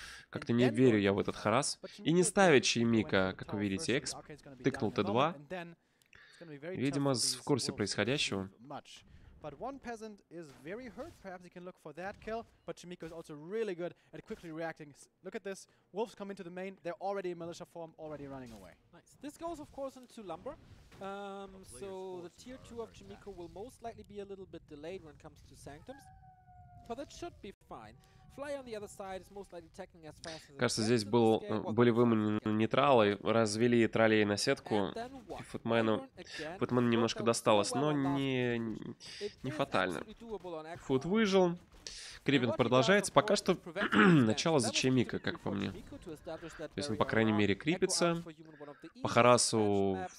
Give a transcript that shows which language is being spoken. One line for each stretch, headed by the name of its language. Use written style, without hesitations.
Russian: Как-то не верю я в этот Харас. И не ставить Чимика, как вы видите, эксп. Тыкнул Т2. Видимо, в курсе происходящего.
English: But one peasant is very hurt. Perhaps he can look for that kill. But Chimiko is also really good at quickly reacting. Look at this. Wolves come into the main. They're already in militia form, already running away. Nice. This goes, of course, into lumber. So the tier 2 of Chimiko will most likely be a little bit delayed when it comes to sanctums. But that should be fine. Fly on the other side is most likely attacking as fast as possible.
Russian: Кажется, здесь были выманены нейтралы, развели троллей на сетку. Футмену немножко досталось, но не фатально. Фут выжил. Крипинг продолжается. Пока что начало за Чемика, как по мне. То есть он, по крайней мере, крипится. По Харасу...